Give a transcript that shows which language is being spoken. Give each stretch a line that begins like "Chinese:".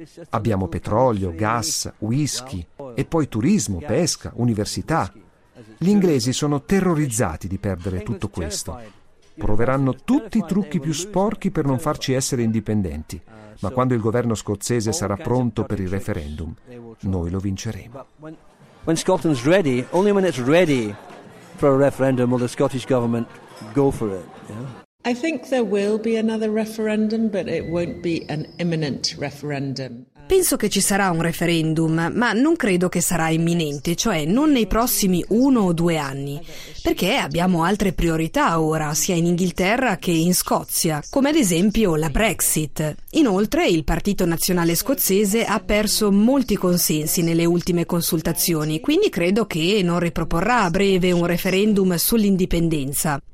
Italian: Abbiamo petrolio, gas, whisky e poi turismo, pesca, università. Gli inglesi sono terrorizzati di perdere tutto questo. Proveranno tutti i trucchi più sporchi per non farci essere indipendenti, ma quando il governo scozzese sarà pronto per il referendum, noi lo vinceremo.
English: When Scotland's ready, only when it's ready for a referendum will the Scottish government go for it. I think there will be another referendum, but it won't be an imminent referendum.
Italian: Penso che ci sarà un referendum, ma non credo che sarà imminente, cioè non nei prossimi 1 o 2 anni, perché abbiamo altre priorità ora, sia in Inghilterra che in Scozia, come ad esempio la Brexit. Inoltre, il Partito Nazionale Scozzese ha perso molti consensi nelle ultime consultazioni, quindi credo che non riproporrà a breve un referendum sull'indipendenza.